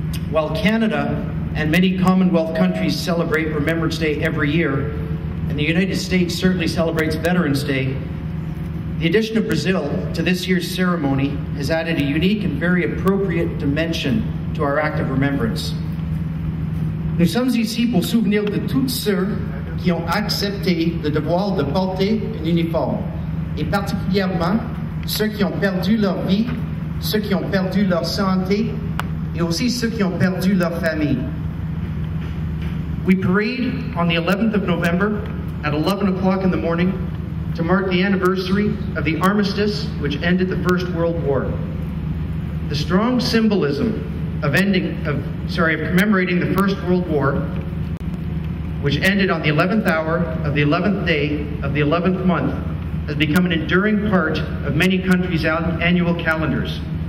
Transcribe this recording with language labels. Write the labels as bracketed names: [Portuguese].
[English] While Canada and many Commonwealth countries celebrate Remembrance Day every year, and the United States certainly celebrates Veterans Day, the addition of Brazil to this year's ceremony has added a unique and very appropriate dimension to our act of remembrance. [French] Nous sommes ici pour souvenir de toutes ceux qui ont accepté le devoir de porter un uniforme, et particulièrement ceux qui ont perdu leur vie, ceux qui ont perdu leur santé, et aussi ceux qui ont perdu leur famille. [English] We parade on the 11th of November at 11 o'clock in the morning to mark the anniversary of the armistice which ended the First World War. The strong symbolism of commemorating the First World War, which ended on the 11th hour of the 11th day of the 11th month, has become an enduring part of many countries' annual calendars.